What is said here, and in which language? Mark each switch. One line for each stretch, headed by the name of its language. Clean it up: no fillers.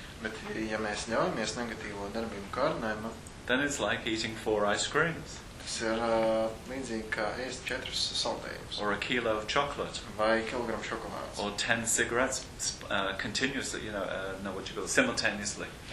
Latvian: bet ja mēs ņemamies negatīvo darbību kārdinājumu,
English: then it's like eating 4 ice creams.
Latvian: Tas ir līdzīgi kā ēst 4 saldējumus.
English: Or a kilo of chocolate.
Latvian: Vai kilogramu šokolādes.
English: Or 10 cigarettes continuously, you know, what you call it, simultaneously.